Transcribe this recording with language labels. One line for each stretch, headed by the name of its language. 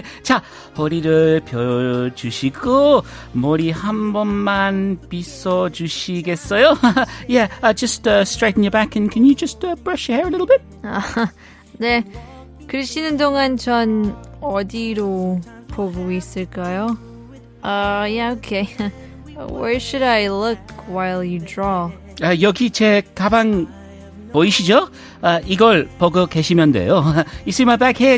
Korean: 자, 허리를 펴주시고 머리 한 번만 빗어주시겠어요?
English: Yeah, just straighten your back and can you just brush your hair a little bit?
Korean: 네. 그리시는 동안 전 어디로 보고 있을까요?
English: Yeah, okay. Where should I look while you draw?
Korean: 여기 제 가방 보이시죠? 이걸 보고 계시면 돼요.
English: You see my bag here?